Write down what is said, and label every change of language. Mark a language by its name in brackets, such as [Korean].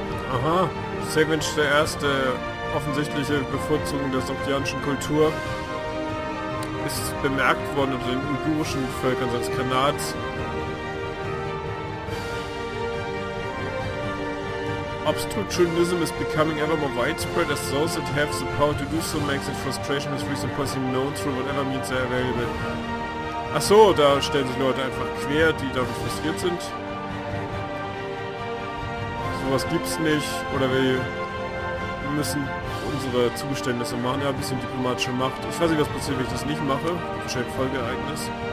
[German] Aha, Savage der erste offensichtliche Bevorzugung der sogdianischen Kultur ist bemerkt worden unter den uigurischen Völkern seines Kanats. [English] Obstructionism is becoming ever more widespread as those that have the power to do so makes it frustration with recent policy known through whatever means are available. [German] Achso, da stellen sich Leute einfach quer, die dadurch frustriert sind. Was gibt's nicht, oder wir müssen unsere Zugeständnisse machen, ja, ein bisschen diplomatische Macht. Ich weiß nicht, was passiert, wenn ich das nicht mache. Wahrscheinlich Folgeereignis.